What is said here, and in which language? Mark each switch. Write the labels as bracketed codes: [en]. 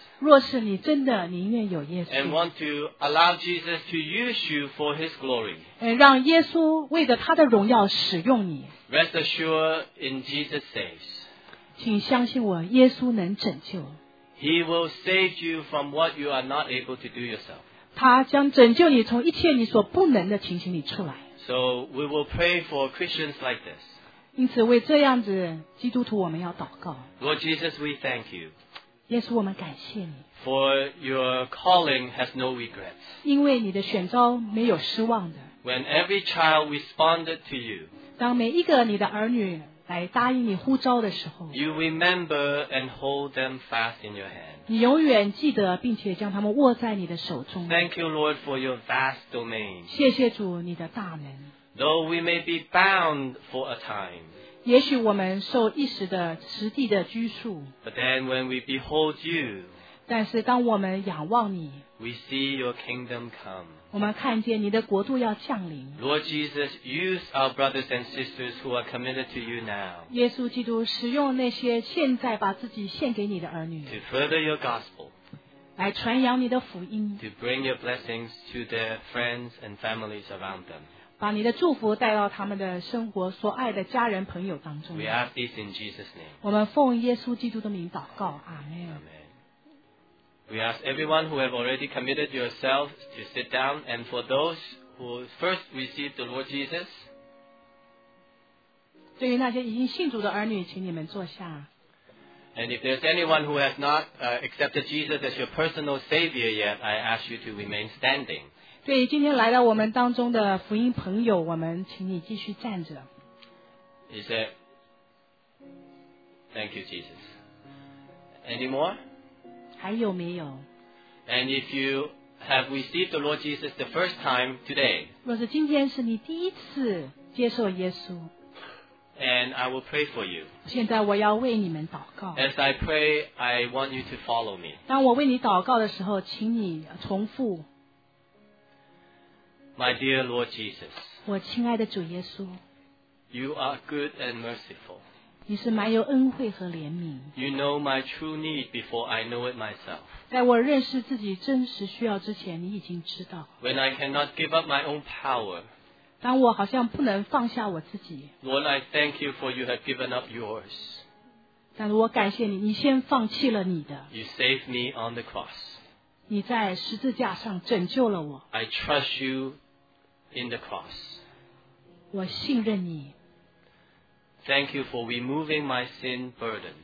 [zh] 若是你真的宁愿有耶稣 [en] and want to allow Jesus to use you for His glory, [zh] 让耶稣为着他的荣耀使用你 [en] rest assured in Jesus saves, [zh] 请相信我，耶稣能拯救 [en] He will save you from what you are not able to do yourself. [zh] 他将拯救你从一切你所不能的情形里出来 [en] So we will pray for Christians like this. [zh] 因此为这样子基督徒我们要祷告 [en] Lord Jesus we thank you [zh] 耶稣我们感谢你 [en] For your calling has no regrets [zh] 因为你的选召没有失望的 [en] When every child responded to you [zh] 当每一个你的儿女来答应你呼召的时候 [en] You remember and hold them fast in your hand [zh] 你永远记得并且将他们握在你的手中 [en] Thank you Lord for your vast domain [zh] 谢谢主你的大能 [en] Though we may be bound for a time, [zh] 也许我们受一时的实地的拘束 [en] but then when we behold you, [zh] 但是当我们仰望你 [en] we see your kingdom come, [zh] 我们看见你的国度要降临 [en] Lord Jesus, use our brothers and sisters who are committed to you now, [zh] 耶稣基督使用那些现在把自己献给你的儿女 [en] to further your gospel, [zh] 来传扬你的福音 [en] to bring your blessings to their friends and families around them, [zh] 把你的祝福带到他们的生活所爱的家人朋友当中 [en] We ask this in Jesus name. [zh] 我们奉耶稣基督的名祷告 Amen. [en] Amen. We ask everyone who have already committed yourself to sit down and for those who first received the Lord Jesus [zh] 对于那些已经信主的儿女请你们坐下 [en] And if there's anyone who has not accepted Jesus as your personal savior yet I ask you to remain standing [zh] 对今天来到我们当中的福音朋友，我们请你继续站着。 [en] He said, "Thank you, Jesus." Any more? [zh] 还有没有 [en] ？And if you have received the Lord Jesus the first time today, [zh] 若是今天是你第一次接受耶稣。 [en] And I will pray for you. [zh] 现在我要为你们祷告。 [en] As I pray, I want you to follow me. [zh] 当我为你祷告的时候，请你重复。 [en] My dear Lord Jesus. [zh] 我亲爱的主耶稣。 [en] You are good and merciful. [zh] 你是满有恩惠和怜悯。 [en] You know my true need before I know it myself. [zh] 在我认识自己真实需要之前，你已经知道。 [en] When I cannot give up my own power. [zh] 当我好像不能放下我自己。 [en] Lord, I thank you for you have given up yours. [zh] 但是我感谢你，你先放弃了你的。 [en] You saved me on the cross. [zh] 你在十字架上拯救了我。 [en] I trust you in the cross. [zh] 我信任你。 [en] Thank you for removing my sin burdens.